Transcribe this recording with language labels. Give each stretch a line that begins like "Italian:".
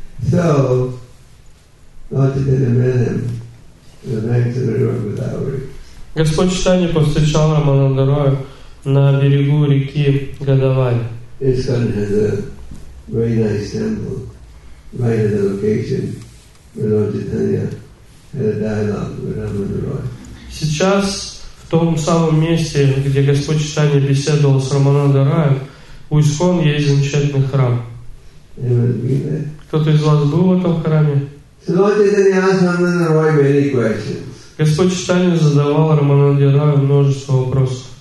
English: So, Lord Chaitanya met him in the banks of the river Godavari.
Russian: Господь Чайтанья повстречал Рамананда Роя на берегу реки Годавари.
English: ISKCON has a very nice temple right at the location where Lord Chaitanya had a dialogue with Ramana Roy.
Russian: Сейчас в том самом месте, где Господь Чайтанья беседовал с Рамананда Роем, у ISKCON есть замечательный храм. Кто-то из вас был в этом храме? Господь Чайтанья задавал Рамананде Рою множество вопросов.